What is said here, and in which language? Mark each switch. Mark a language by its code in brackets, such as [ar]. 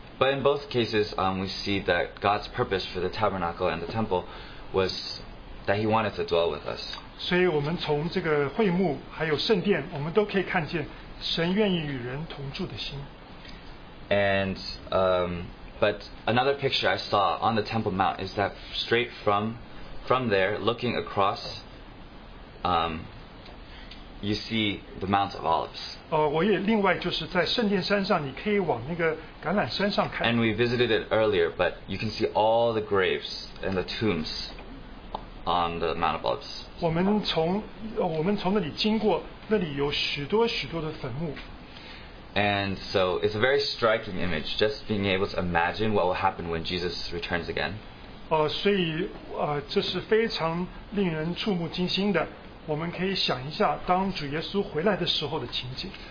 [en] But in both cases, we see that God's purpose for the tabernacle and the temple was that He wanted to dwell with us. [zh] 所以我们从这个会幕还有圣殿, 我们都可以看见神愿意与人同住的心。 [en] And, but another picture I saw on the Temple Mount is that straight from there, looking across, you see the Mount of Olives. [zh] 我也另外就是在圣殿山上, 你可以往那个橄榄山上看。 [en] And we visited it earlier, but you can see all the graves and the tombs on the Mount of Olives. [zh] 我们从那里经过, 那里有许多许多的坟墓。 [en] And so it's a very striking image, just being able to imagine what will happen when Jesus returns again. [zh] 所以这是非常令人触目惊心的。我们可以想一下当主耶稣回来的时候的情景。